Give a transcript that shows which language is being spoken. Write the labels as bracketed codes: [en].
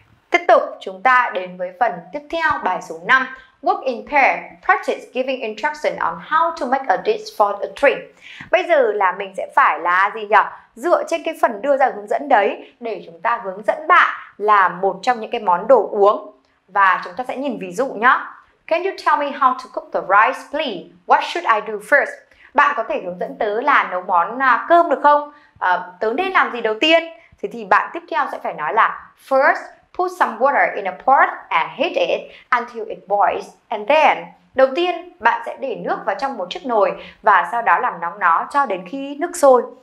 [vi] Tiếp tục chúng ta đến với phần tiếp theo, bài số 5. [en] Work in pair, practice giving instruction on how to make a dish for a treat. [vi] Bây giờ là mình sẽ phải là gì nhỉ? Dựa trên cái phần đưa ra hướng dẫn đấy để chúng ta hướng dẫn bạn làm một trong những cái món đồ uống. Và chúng ta sẽ nhìn ví dụ nhá. [en] Can you tell me how to cook the rice, please? What should I do first? [vi] Bạn có thể hướng dẫn tớ là nấu món cơm được không? Tớ nên làm gì đầu tiên? Thì bạn tiếp theo sẽ phải nói là [en] first, put some water in a pot and heat it until it boils. And then, [vi] đầu tiên, bạn sẽ để nước vào trong một chiếc nồi và sau đó làm nóng nó cho đến khi nước sôi.